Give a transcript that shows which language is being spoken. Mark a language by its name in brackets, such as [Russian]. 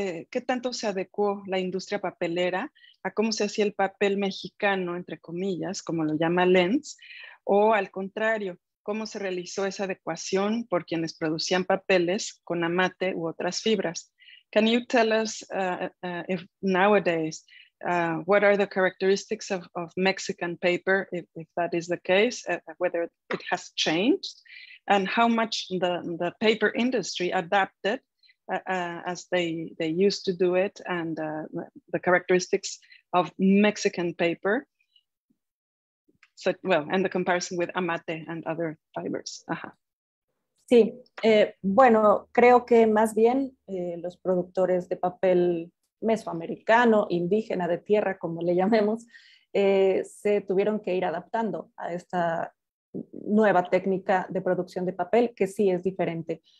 [Spanish] ¿Qué tanto se adecuó la industria papelera a cómo se hacía el papel mexicano, entre comillas, como lo llama Lenz? O al contrario, ¿cómo se realizó esa adecuación por quienes producían papeles con amate u otras fibras? [English] Can you tell us if nowadays, what are the characteristics of Mexican paper, if that is the case, whether it has changed, and how much the paper industry adapted as they used to do it, and the characteristics of Mexican paper, and the comparison with amate and other fibers. Uh-huh. [Spanish] Sí, bueno, creo que más bien los productores de papel mesoamericano, indígena de tierra, como le llamemos, se tuvieron que ir adaptando a esta nueva técnica de producción de papel, que sí es diferente.